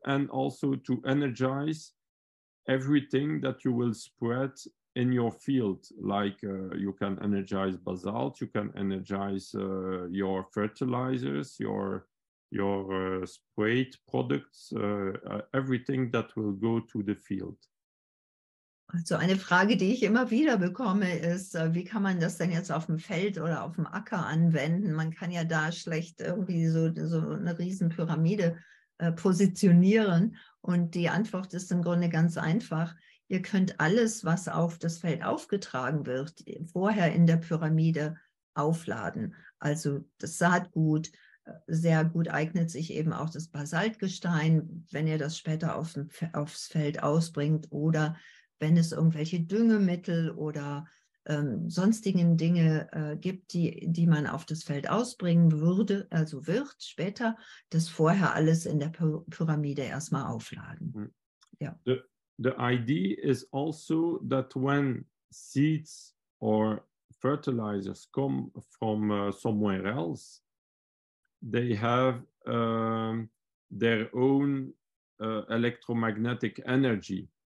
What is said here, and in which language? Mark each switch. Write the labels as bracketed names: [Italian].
[English] And also to energize everything that you will spread in your field. Like you can energize basalt. You can energize your fertilizers, your sprayed products, everything that will go to the field. [German] Also eine Frage, die ich immer wieder bekomme, ist, wie kann man das denn jetzt auf dem Feld oder auf dem Acker anwenden? Man kann ja da schlecht irgendwie so eine Riesenpyramide positionieren. Und die Antwort ist im Grunde ganz einfach. Ihr könnt alles, was auf das Feld aufgetragen wird, vorher in der Pyramide aufladen. Also das Saatgut, sehr gut eignet sich eben auch das Basaltgestein, wenn ihr das später aufs Feld ausbringt oder wenn es irgendwelche Düngemittel oder sonstigen Dinge gibt, die man auf das Feld ausbringen würde, also wird später, das vorher alles in der Pyramide erstmal aufladen. Mm-hmm. Ja. [English] The idea is also that when seeds or fertilizers come from somewhere else, they have their own electromagnetic energy.